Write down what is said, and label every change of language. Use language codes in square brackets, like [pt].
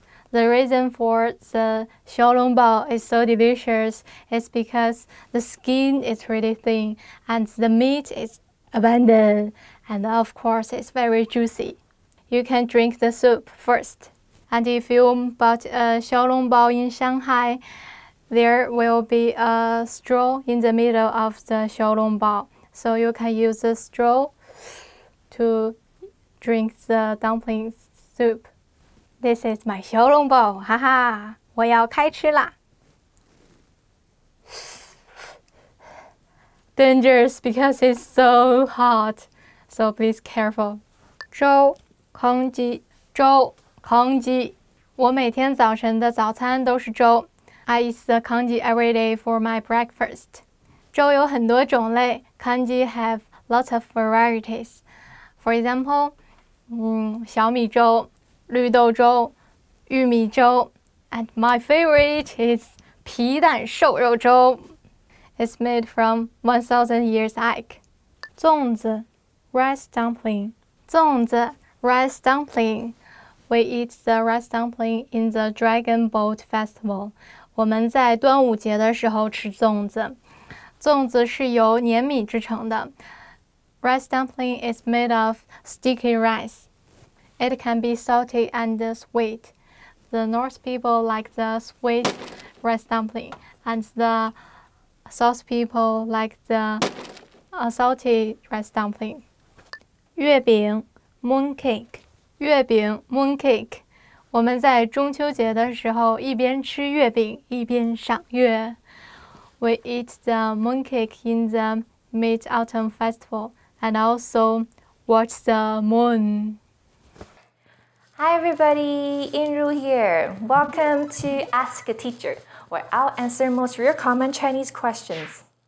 [en] The reason for the 小笼包 is so delicious is because the skin is really thin and the meat is abundant and of course it's very juicy You can drink the soup first And if you bought a 小笼包 in ShanghaiThere will be a straw in the middle of the 小笼包 so you can use the straw to drink the dumpling soup. This is my [zh] 小笼包，哈哈，我要开吃啦。 [en] Dangerous because it's so hot, so please careful. [zh] 粥，空鸡，粥，空鸡。我每天早晨的早餐都是粥。 [en] I eat the congee every day for my breakfast. [zh] 粥有很多种类 [en] congee have lots of varieties. For example, 小米粥、绿豆粥、玉米粥 and my favorite is 皮蛋瘦肉粥. It's made from 1,000 years egg. 粽子 rice dumpling. 粽子 rice dumpling. We eat the rice dumpling in the Dragon Boat Festival. [zh] 我们在端午节的时候吃粽子，粽子是由粘米制成的。 [en] Rice dumpling is made of sticky rice. It can be salty and sweet. The North people like the sweet rice dumpling, and the South people like the salty rice dumpling. 月饼 moon cake. 月饼 moon cake. [zh] 我们在中秋节的时候一边吃月饼一边赏月。 [en] We eat the moon cake in the Mid-Autumn Festival and also Watch the moon. Hi everybody, Inru here. Welcome to Ask a Teacher, where I'll answer most of your common Chinese questions.